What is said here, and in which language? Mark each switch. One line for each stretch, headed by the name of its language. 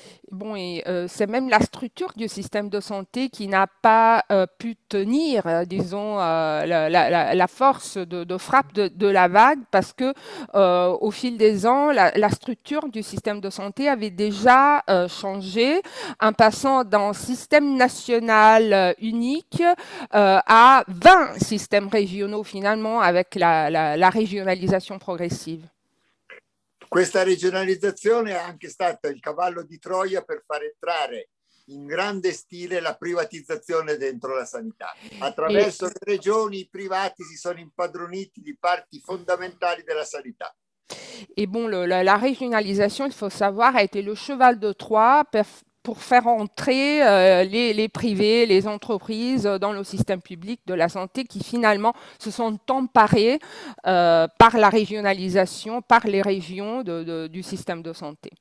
French: Bon, et c'est même la structure du système de santé qui n'a pas pu tenir, disons, la force de frappe de la vague, parce que au fil des ans, la structure du système de santé avait déjà changé, en passant d'un système national unique à 20 systèmes régionaux, finalement, avec la régionalisation progressive.
Italian: Questa regionalizzazione è anche stata il cavallo di Troia per far entrare in grande stile la privatizzazione dentro la sanità. Attraverso le regioni, i privati si sono impadroniti di parti fondamentali della sanità.
French: Et bon, la régionalisation, il faut savoir, a été le cheval de Troie pour faire entrer les privés, les entreprises dans le système public de la santé qui finalement se sont emparés par la régionalisation, par les régions du système de santé.